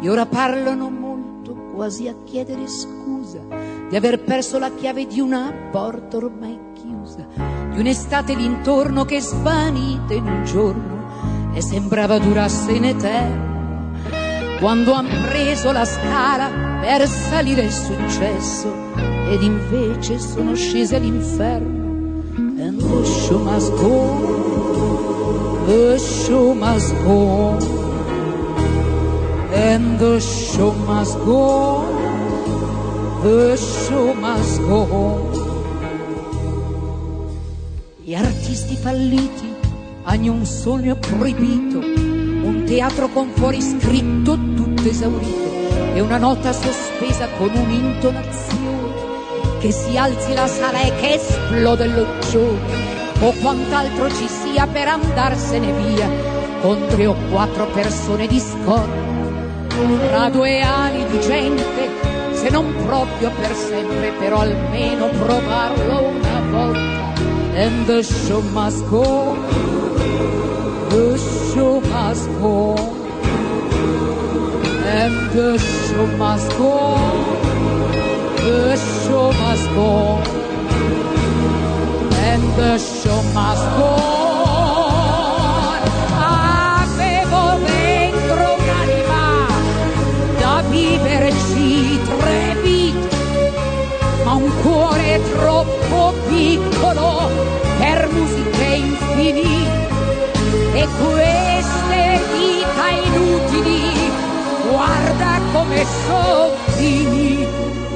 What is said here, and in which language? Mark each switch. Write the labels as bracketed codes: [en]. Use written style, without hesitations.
[it] e ora parlano molto, quasi a chiedere scusa di aver perso la chiave di una porta ormai chiusa, di un'estate d'intorno che svanita in un giorno e sembrava durasse in eterno. Quando han preso la scala per salire il successo ed invece sono scese all'inferno. [en] And the show must go, the show must go, and the show must go, the show must go. [it] Gli artisti falliti hanno un sogno proibito, un teatro con fuori scritto tutto esaurito e una nota sospesa con un'intonazione che si alzi la sala e che esplode l'occhione o quant'altro ci sia per andarsene via con tre o quattro persone di scorta tra due ali di gente, se non proprio per sempre però almeno provarlo una volta. [en] And the show must go, the show must go, and the show must go, the show must go, and the show must go. [it] Avevo dentro un'anima da viverci tre vite, ma un cuore troppo piccolo per musiche infinite, e queste dita inutili guarda come sono finite.